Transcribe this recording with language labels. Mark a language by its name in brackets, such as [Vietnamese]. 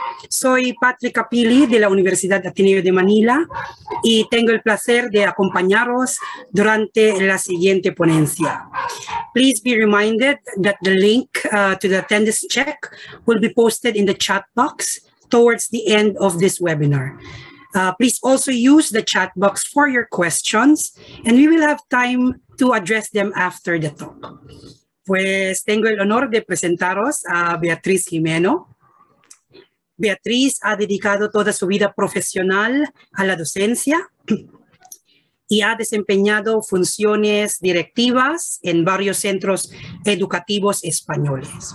[Spanish] Soy Patrick Capilli de la Universidad de Ateneo de Manila y tengo el placer de acompañaros durante la siguiente ponencia. [English] Please be reminded that the link to the attendance check will be posted in the chat box towards the end of this webinar. Please also use the chat box for your questions and we will have time to address them after the talk. [Spanish] Pues tengo el honor de presentaros a Beatriz Gimeno. Beatriz ha dedicado toda su vida profesional a la docencia y ha desempeñado funciones directivas en varios centros educativos españoles.